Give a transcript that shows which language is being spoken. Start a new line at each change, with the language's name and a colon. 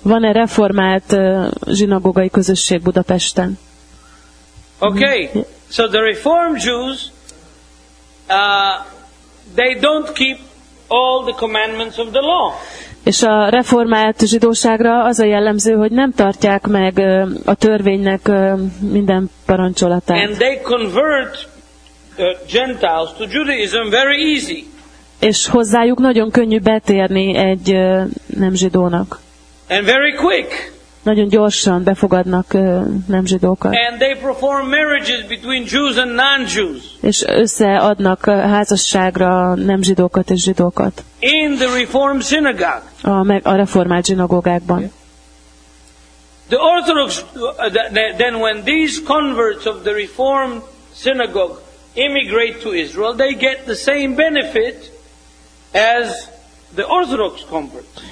Hungarian: Van-e reformált zsinagógai közösség Budapesten?
English: Okay, so the Reform Jews, they don't keep all the commandments of the law.
Hungarian: És a reformált zsidóságra az a jellemző, hogy nem tartják meg a törvénynek minden parancsolatát.
English: And they convert Gentiles to Judaism very easy.
Hungarian: És hozzájuk nagyon könnyű betérni egy nem zsidónak.
English: And very quick.
Hungarian: Nagyon gyorsan befogadnak nem zsidókat.
English: And they perform marriages between Jews and non-Jews.
Hungarian: És összeadnak házasságra nem zsidókat és zsidókat.
English: In the Reform synagogue.
Hungarian: A reformált zsinagógákban.
English: The Orthodox, then when these converts of the Reform synagogue immigrate to Israel, they get the same benefit as the Orthodox convert.